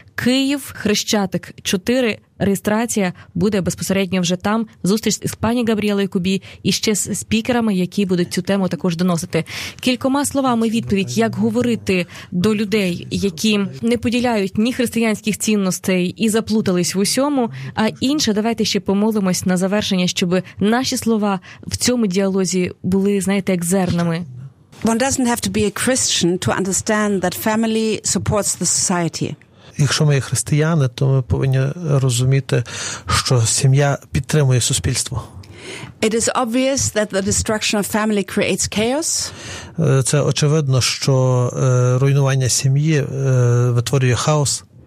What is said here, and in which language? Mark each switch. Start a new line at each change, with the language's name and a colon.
Ukrainian: Київ, Хрещатик, 4. Реєстрація буде безпосередньо вже там, зустріч з пані Габріелою Кубі і ще з спікерами, які будуть цю тему також доносити. Кількома словами відповідь, як говорити до людей, які не поділяють ні християнських цінностей і заплутались в усьому, а інше, давайте ще помолимось на завершення, щоб наші слова в цьому діалозі були, знаєте, як зернами.
English: One doesn't have to be a Christian to understand that family supports the society.
Ukrainian: Якщо ми є християни, то ми повинні розуміти, що сім'я підтримує суспільство.
English: It is obvious that the destruction of family creates chaos.
Ukrainian: Це очевидно, що руйнування сім'ї витворює хаос.